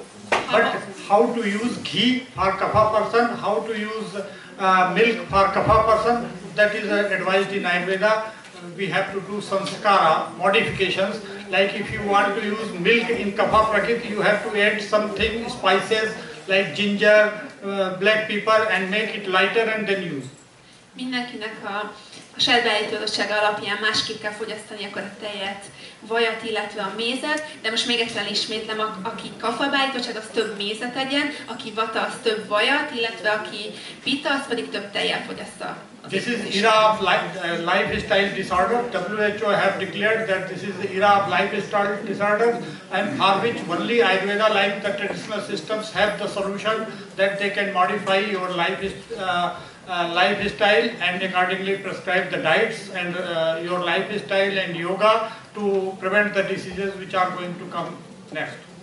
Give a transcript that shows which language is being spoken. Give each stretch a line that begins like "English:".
English: But how to use ghee for kapha person, how to use milk for kapha person, that is advised in Ayurveda. We have to do samskara modifications. Like if you want to use milk in kapha prakriti, you have to add something, spices like ginger, black pepper, and make it lighter and then use.
Hungarian: Mindenkinek a saját beállítottsága alapján másképp kell fogyasztani akkor a tejet, vajat, illetve a mézet, de most még egyszer ismétlem, aki kapha beállítottság, az több mézet egyen, aki vata, az több vajat, illetve aki pita, az pedig több tejjel fogyaszt.
English: This is era of lifestyle disorder. WHO have declared that this is the era of lifestyle disorder, and for which only Ayurveda, like the traditional systems, have the solution that they can modify your lifestyle and accordingly prescribe the diets and your lifestyle and yoga to prevent the diseases which are going to come next.